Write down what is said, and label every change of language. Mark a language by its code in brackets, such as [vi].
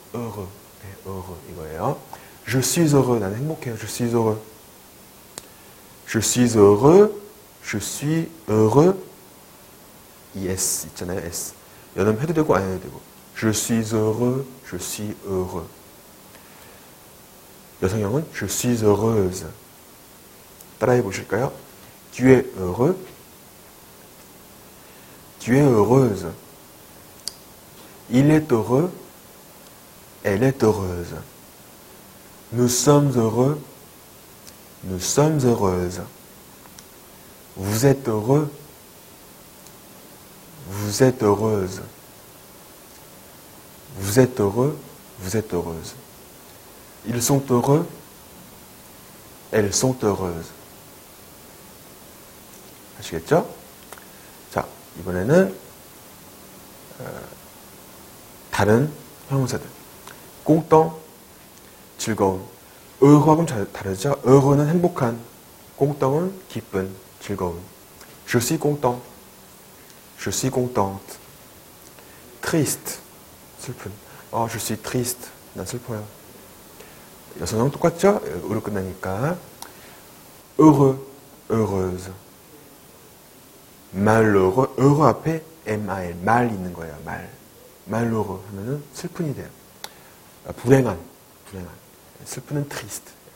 [fr] heureux, 네, heureux 이거예요. Je suis heureux. [ko] 나는 행복해요. [fr] Je suis heureux. Je suis heureux. Je suis heureux. [ko] 이 S 있잖아요. [fr] S. [ko] 연음 해도 되고 안 해도 되고. [fr] Je suis heureux. Je suis heureux. [ko] 여성형은 [fr] Je suis heureuse. [ko] 따라해 보실까요? [fr] Tu es heureux. Tu es heureuse. Il est heureux. Elle est heureuse. Nous sommes heureux. Nous sommes heureuses. Vous êtes heureux. Vous êtes heureuse. Vous êtes heureux. Vous êtes heureuse. Ils sont heureux. Elles sont heureuses. [ko] 아시겠죠? 자, 이번에는 다른 형용사들. 꽁똥, 즐거움. 어허하고는 다르죠? 어허는 행복한, 꽁똥은 기쁜, 즐거운. [fr] Je suis content. Je suis contente. Triste, 슬픈. Oh, je suis triste. [ko] 난 슬퍼요. 여성형 똑같죠? 으로 끝나니까 heureux, heureuse. malheureux, heureux 앞에 mal, 말 있는 거예요. 말. malheureux 하면은 슬픈이 돼요. 불행한, 불행한. 슬픈은 triste.